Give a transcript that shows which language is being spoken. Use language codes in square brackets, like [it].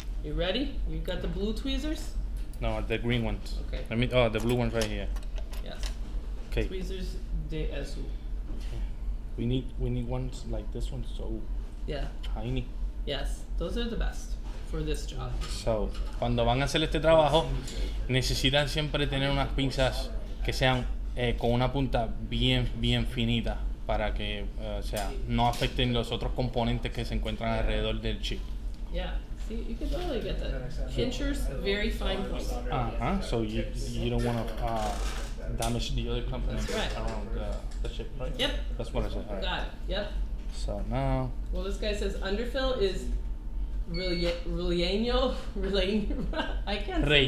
[en] You ready? You got the blue tweezers? No, the green ones. Okay. The blue ones right here. Yes. Okay. [es] Tweezers de azul. [en] We need ones like this one, so tiny. Yes, those are the best for this job. [es] So, cuando van a hacer este trabajo, necesitan siempre tener unas pinzas que sean con una punta bien, bien finita para que, o sea, no afecten los otros componentes que se encuentran alrededor del chip. [en] Yeah. See, you can totally get that. Pinchers, very fine points. Uh-huh, so you don't want to damage the other components around the chip, right? Yep. That's what I said. Got it, yep. So now... Well, this guy says underfill is relleno. I can't say